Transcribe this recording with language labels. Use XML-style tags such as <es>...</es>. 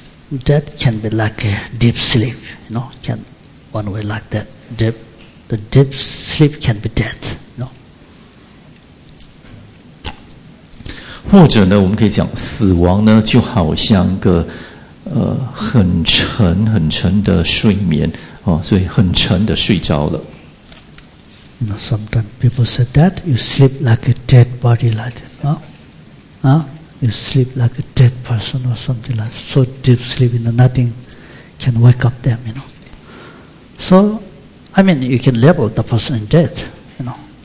<en>death can be like a deep sleep, you know, can one way like that. The deep sleep can be death, you know.</en> <zh>或者呢，我们可以讲死亡呢，就好像个很沉很沉的睡眠哦，所以很沉的睡着了。</zh> <en>You know, sometimes people say that you sleep like a dead body, like that, You sleep like a dead person or something like that. So deep sleep, you know, nothing can wake up them, you know. So, I mean, you can label the person in death, you know.</en>